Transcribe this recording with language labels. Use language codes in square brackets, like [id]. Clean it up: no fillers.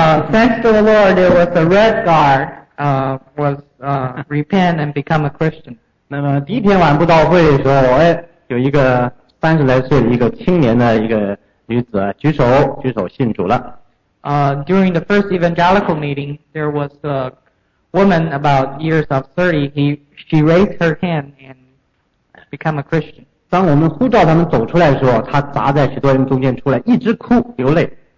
[en] thanks to the Lord, there was a Red Guard was repent and become a Christian. [zh] 那么第一天晚布道会的时候，我有一个三十来岁的一个青年的一个。女子举手信主了。 [en] During the first evangelical meeting, there was a woman about years of 30, she raised her hand and became a Christian. [zh] 当我们呼召他们走出来的时候，她砸在许多人中间出来，一直哭流泪。